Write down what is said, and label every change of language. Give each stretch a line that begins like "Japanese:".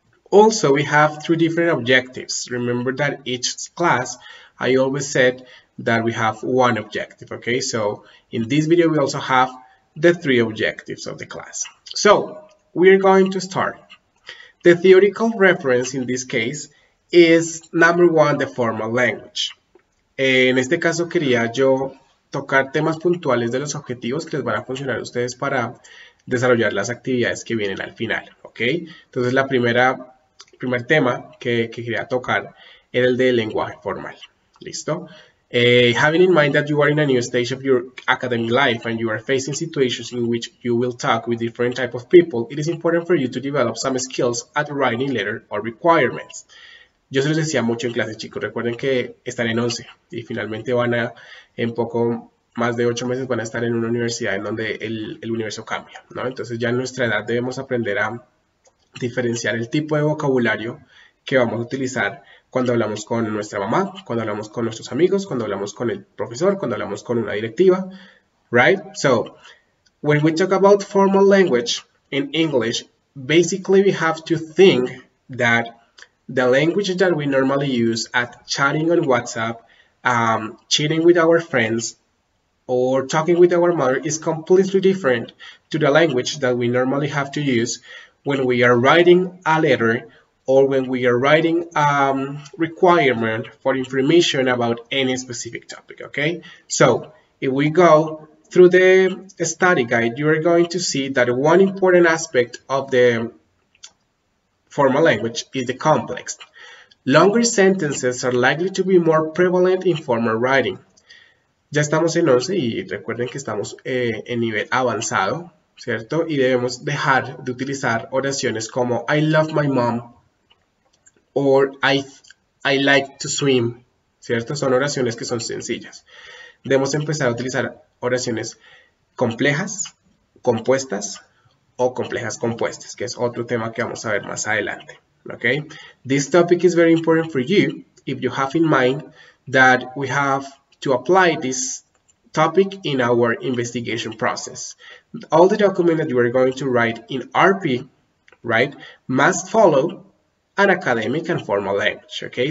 English: Also, we have three different objectives. Remember that each class, I always said that we have one objective, okay? So in this video, we also have the three objectives of the class. So we are going to start. The theoretical reference in this case is number one, the formal language.
Spanish: En este caso, quería yo tocar temas puntuales de los objetivos que les van a funcionar a ustedes para desarrollar las actividades que vienen al final, ¿ok? Entonces, el primer tema que quería tocar era el de lenguaje formal, ¿listo?
English: Having in mind that you are in a new stage of your academic life and you are facing situations in which you will talk with different types of people, it is important for you to develop some skills at writing letter or requirements.
Spanish: Yo se los decía mucho en clase, chicos. Recuerden que están en 11 y finalmente van a, en poco más de 8 meses, van a estar en una universidad en donde el universo cambia, ¿no? Entonces ya en nuestra edad debemos aprender a diferenciar el tipo de vocabulario que vamos a utilizar cuando hablamos con nuestra mamá, cuando hablamos con nuestros amigos, cuando hablamos con el profesor, cuando hablamos con una directiva, right?
English: So, when we talk about formal language in English, basically we have to think that the language that we normally use at chatting on WhatsApp, chatting with our friends, or talking with our mother is completely different to the language that we normally have to use when we are writing a letter or when we are writing a requirement for information about any specific topic, okay? So, if we go through the study guide, you are going to see that one important aspect of the formal language is the complex. Longer sentences are likely to be more prevalent in formal writing.
Spanish: Ya estamos en 11 y recuerden que estamos en nivel avanzado, ¿cierto? Y debemos dejar de utilizar oraciones como
English: I love my mom
Spanish: o
English: I like to swim,
Spanish: ¿cierto? Son oraciones que son sencillas. Debemos empezar a utilizar oraciones complejas, compuestas, o complejas compuestas, que es otro tema que vamos a ver más adelante, okay?
English: This topic is very important for you if you have in mind that we have to apply this topic in our investigation process. All the documents that you are going to write in RP, right, must follow an academic and formal language, okay?